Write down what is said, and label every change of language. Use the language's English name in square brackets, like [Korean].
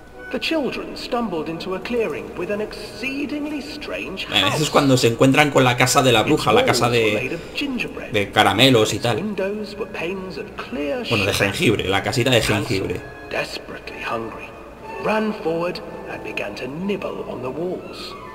[English] The children stumbled into a clearing with an exceedingly strange house. [Spanish] Eso es cuando se encuentran con la casa de la bruja, la casa de caramelos y tal. Bueno, de jengibre, la casita de jengibre. [English] Desperately hungry, ran forward and began to nibble on the walls.